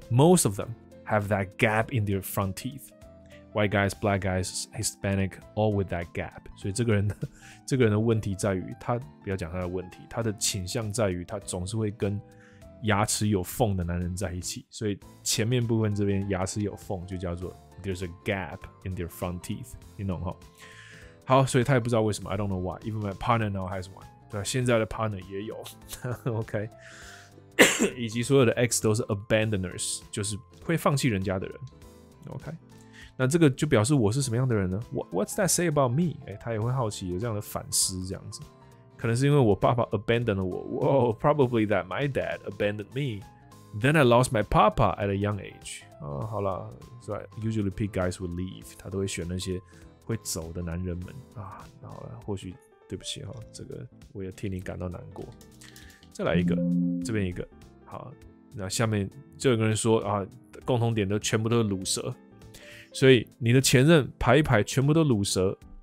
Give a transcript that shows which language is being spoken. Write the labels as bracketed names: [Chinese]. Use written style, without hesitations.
[English] Most of them have that gap in their front teeth. White guys, black guys, Hispanic, all with that gap. [Chinese] 所以这个人的问题在于他，不要讲他的问题，他的倾向在于他总是会跟牙齿有缝的男人在一起。所以前面部分这边牙齿有缝就叫做 [English] there's a gap in their front teeth. [Chinese] 你懂哈？好，所以他也不知道为什么 ， [English] I don't know why. Even my partner now has one. [Chinese] 对，现在的 partner 也有 ，OK， 以及所有的 ex 都是 abandoners， 就是会放弃人家的人 ，OK， 那这个就表示我是什么样的人呢 ？ [English] What's that say about me？ [Chinese] 哎，他也会好奇，有这样的反思，这样子，可能是因为我爸爸 abandoned 了我 ， [English] Whoa，probably that my dad abandoned me， Then I lost my papa at a young age. [Chinese] 啊，好啦，是吧 [English] ？Usually, pick guys would leave. [Chinese] 他都会选那些会走的男人们啊。好了，或许对不起哈，这个我也替你感到难过。再来一个，这边一个。好，那下面就有个人说啊，共同点都全部都是卤蛇，所以你的前任排一排全部都卤蛇。